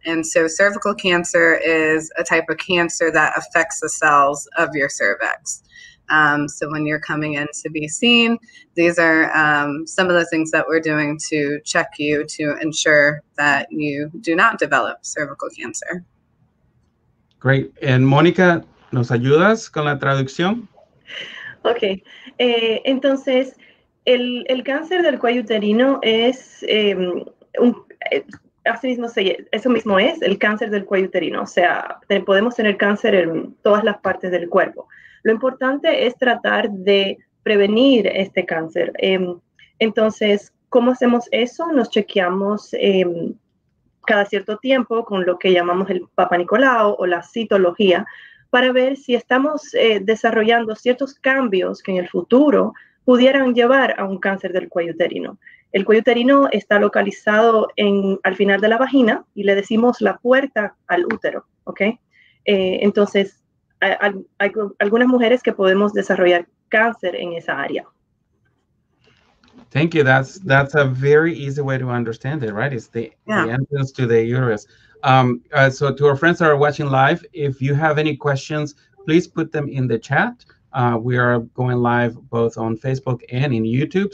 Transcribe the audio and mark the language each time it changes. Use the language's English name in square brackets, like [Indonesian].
[English] And so cervical cancer is a type of cancer that affects the cells of your cervix. So when you're coming in to be seen, these are some of the things that we're doing to check you to ensure that you do not develop cervical cancer. Great. And Monica, [Spanish] ¿nos ayudas con la traducción? Ok, entonces el cáncer del cuello uterino es, eso mismo es el cáncer del cuello uterino, o sea, podemos tener cáncer en todas las partes del cuerpo. Lo importante es tratar de prevenir este cáncer. Entonces, ¿cómo hacemos eso? Nos chequeamos cada cierto tiempo con lo que llamamos el Papa Nicolau o la citología, para ver si estamos desarrollando ciertos cambios que en el futuro pudieran llevar a un cáncer del cuello uterino. El cuello uterino está localizado al final de la vagina y le decimos la puerta al útero, ¿ok? Entonces, hay algunas mujeres que podemos desarrollar cáncer en esa área. [English] Thank you. That's a very easy way to understand it, right? It's the entrance to the uterus. So to our friends that are watching live, if you have any questions, please put them in the chat. We are going live both on Facebook and in YouTube.